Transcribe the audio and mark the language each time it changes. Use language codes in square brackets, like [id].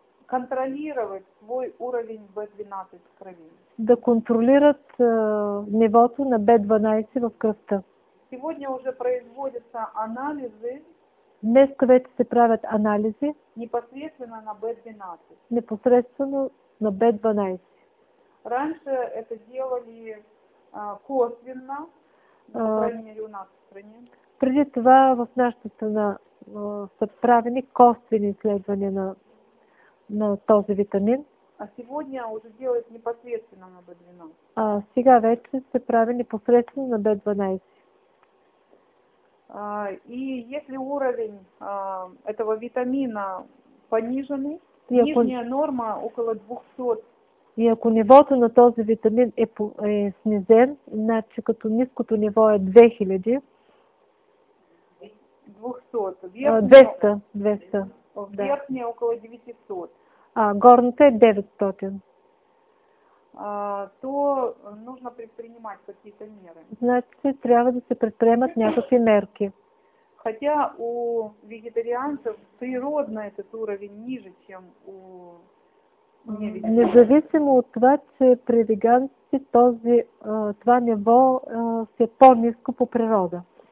[ru] Контролировать свой уровень B12 в крови. [bg] Да контролират нивото на B12 в кръвта. [ru] Сегодня уже производятся анализы. [bg] Днес вече се правят анализи. [ru] Непосредственно на B12. [bg] Непосредственно на B12. [ru] Раньше это делали косвенно, по крайней мере у нас в стране. [bg] Преди това в нашата страна са правени косвени изследвания на този витамин. [ru] А сегодня уже делают непосредственно на B12. [bg] А сега вече се прави непосредственно на B12. [ru] И если уровень этого витамина пониженный, нижняя норма около 200. [bg] И ако нивото на този витамин е снизен, значи като ниското ниво е 2000. 200. [ru] Верхния около 900. [bg] Горната е 900. [ru] То нужно предпринимать какие-то меры. [bg] Значи трябва да се предприемат някакви мерки. [ru] Хотя у вегетарианцев природно этот уровень ниже, чем у невегетарианцев. [bg] Независимо от това, че при веганците това ниво се по-ниско по природа.